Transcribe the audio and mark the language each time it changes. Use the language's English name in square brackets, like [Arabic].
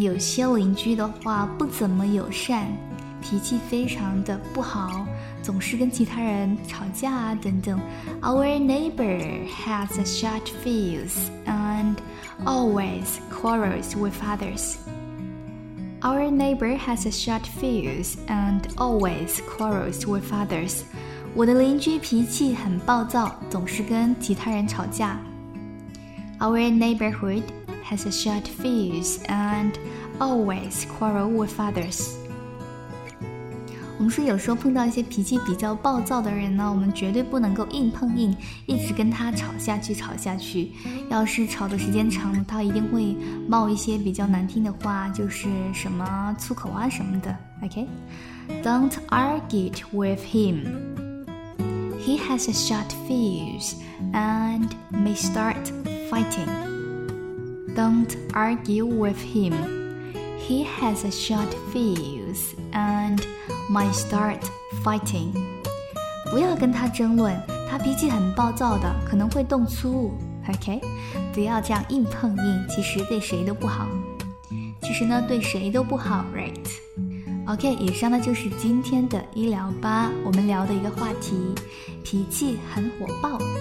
[Chinese] 有些邻居的话不怎么友善，脾气非常的不好，总是跟其他人吵架啊等等。 [English] Our neighbor has a short fuse and always quarrels with others. Our neighbor has a short fuse and always quarrels with others. [Chinese] 我的邻居脾气很暴躁，总是跟其他人吵架。 [English] Our neighborhood. Has a short fuse and always quarrel with others. [Chinese] 我们说有时候碰到一些脾气比较暴躁的人呢，我们绝对不能够硬碰硬，一直跟他吵下去。要是吵的时间长，他一定会冒一些比较难听的话，就是什么粗口啊什么的。 [English] Okay, don't argue with him. He has a short fuse and may start fighting. Don't argue with him. He has a short fuse and might start fighting. [Chinese] 不要跟他争论，他脾气很暴躁的，可能会动粗。 [English] OK? [Chinese] 不要这样硬碰硬，其实对谁都不好。其实呢，对谁都不好 ,right? OK, 以上呢就是今天的医疗吧，我们聊的一个话题，脾气很火爆。